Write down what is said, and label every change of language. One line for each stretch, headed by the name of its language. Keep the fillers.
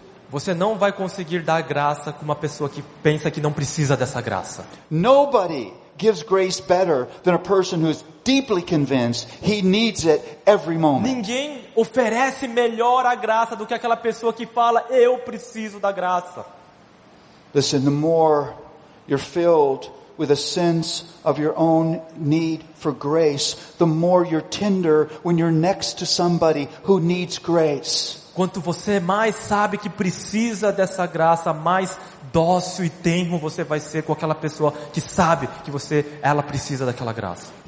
Portuguese: Você não vai conseguir dar graça com uma pessoa que pensa que não precisa dessa graça. Ninguém
English: gives grace better than a person deeply convinced he needs it every moment.
Portuguese: Ninguém oferece melhor a graça do que aquela pessoa que fala eu preciso da graça.
English: Listen, the more you're filled with a sense of your own need for grace, the more you're tender when you're next to somebody who needs grace.
Portuguese: Quanto você mais sabe que precisa dessa graça, mais dócil e tenro você vai ser com aquela pessoa que sabe que você ela precisa daquela graça.